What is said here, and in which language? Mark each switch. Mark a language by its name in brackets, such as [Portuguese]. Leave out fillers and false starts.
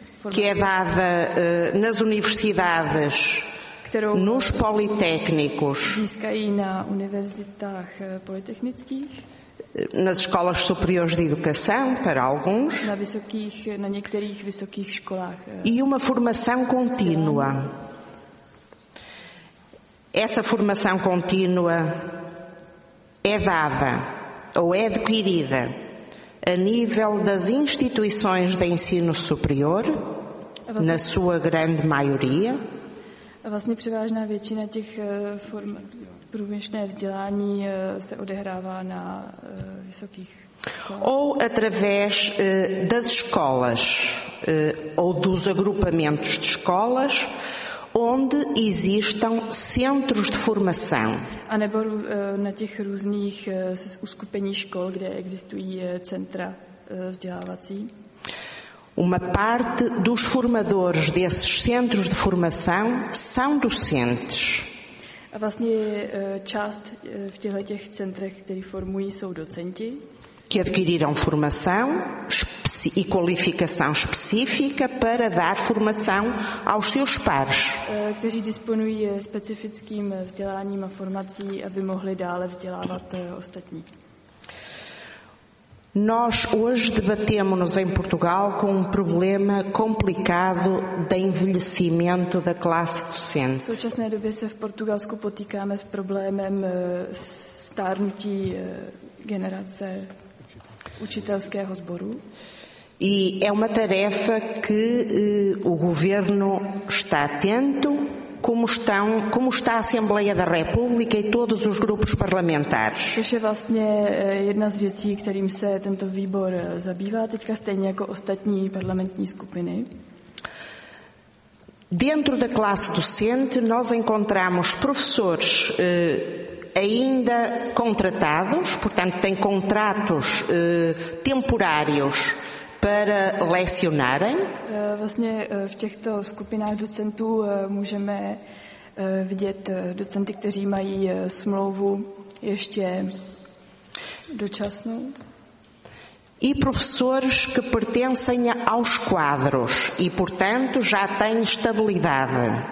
[Portuguese] que é dada nas universidades. Nos politécnicos, [Czech] získají na univerzitách politechnických, [Portuguese] nas escolas superiores de educação, para alguns, [Czech] na některých vysokých školách, [Portuguese] e uma formação contínua. Essa formação contínua é dada ou é adquirida a nível das instituições de ensino superior, na sua grande maioria. [Czech] Vlastně převážná většina těch form průměšné vzdělání se odehrává na vysokých školách. [Portuguese] Ou através das escolas, ou dos agrupamentos de escolas, onde existam centros de formação. [Czech] A nebo na těch různých uskupení škol, kde existují centra vzdělávací. [Portuguese] Uma parte dos formadores desses centros de formação são docentes. [Czech] A vlastně část v těch centrech, které formují, jsou docenti. [Portuguese] Que adquiriram formação e qualificação específica para dar formação aos seus pares. [Czech] Kteří disponují specifickým vzděláním a formací, aby mohli dále vzdělávat ostatní. [Portuguese] Nós hoje debatemos-nos em Portugal com um problema complicado de envelhecimento da classe docente. [Czech] V současné době se v Portugalsku potýkáme s problémem stárnutí generace učitelského sboru. [Portuguese] E é uma tarefa que o governo está atento, como está a Assembleia da República e todos os grupos parlamentares. [Czech] Což je vlastně jedna z věcí, kterým se tento výbor zabývá teďka, stejně jako ostatní parlamentní skupiny. [Portuguese] Dentro da classe docente, nós encontramos professores ainda contratados, portanto têm contratos temporários para lecionarem. [Czech] Vlastně v těchto skupinách docentů můžeme vidět docenty, kteří mají smlouvu ještě dočasnou. [Portuguese] E professores que pertencem aos quadros e, portanto, já têm estabilidade.